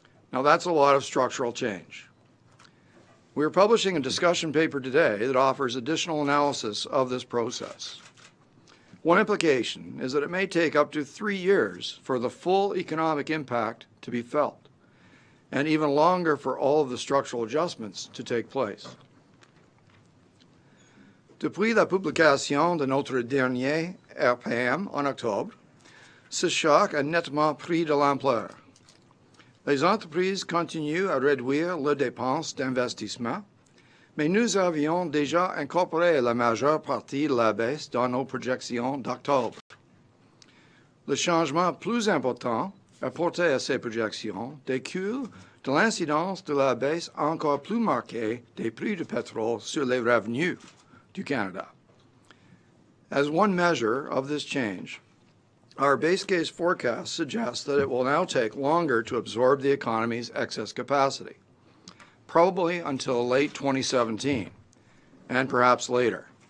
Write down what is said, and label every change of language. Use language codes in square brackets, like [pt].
[en] Now that's a lot of structural change. We are publishing a discussion paper today that offers additional analysis of this process. One implication is that it may take up to 3 years for the full economic impact to be felt, and even longer for all of the structural adjustments to take place. [fr] Depuis la publication de notre dernier RPM en octobre, ce choc a nettement pris de l'ampleur. Les entreprises continuent à réduire leurs dépenses d'investissement, mais nous avions déjà incorporé la majeure partie de la baisse dans nos projections d'octobre. Le changement plus important apporté à ces projections découle de l'incidence de la baisse encore plus marquée des prix du pétrole sur les revenus to Canada. [en] As one measure of this change, our base case forecast suggests that it will now take longer to absorb the economy's excess capacity, probably until late 2017, and perhaps later.